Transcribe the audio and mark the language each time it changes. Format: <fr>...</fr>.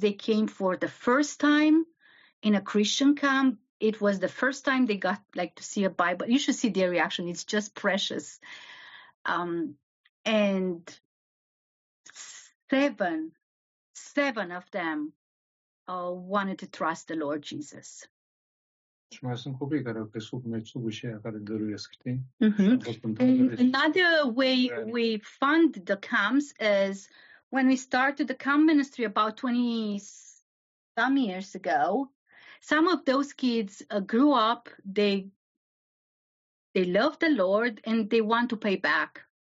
<en>They came for the first time in a Christian camp. It was the first time they got like to see a Bible. You should see their reaction. It's just precious. And seven of them wanted to trust the Lord Jesus.</en> <ro>Și mai sunt copii care au crescut meciul și aia care dăruiesc, știi?</ro> <en>Another way we fund the camps is when we started the camp ministry about 20 some years ago, some of those kids grew up, they love the Lord and they want to pay back.</en>